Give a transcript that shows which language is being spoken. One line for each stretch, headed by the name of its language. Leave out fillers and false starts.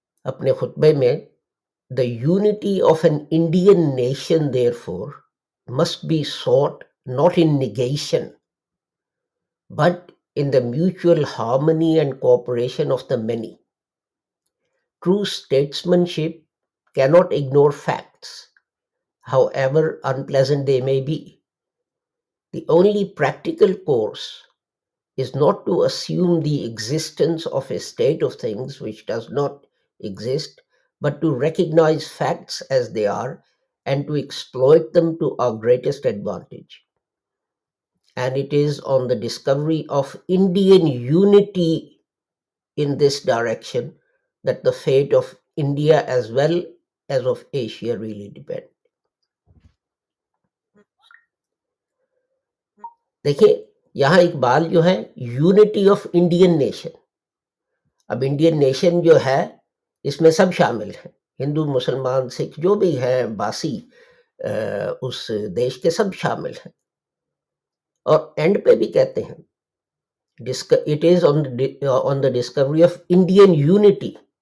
Urdu: اپنے خطبے میں،
English: The unity of an Indian nation therefore must be sought not in negation but in the mutual harmony and cooperation of the many. True statesmanship cannot ignore facts, however unpleasant they may be. The only practical course is not to assume the existence of a state of things which does not exist, but to recognize facts as they are and to exploit them to our greatest advantage. And it is on the discovery of Indian unity in this direction that the fate of India as well as of Asia really depend.
Urdu: دیکھیں یہاں اقبال جو ہے
English: unity of Indian nation,
Urdu: اب Indian nation جو ہے اس میں سب شامل ہیں، ہندو مسلمان سکھ جو بھی ہیں باسی اس دیش کے سب شامل ہیں، اور اینڈ پہ بھی کہتے ہیں
English: it is on the discovery of Indian unity,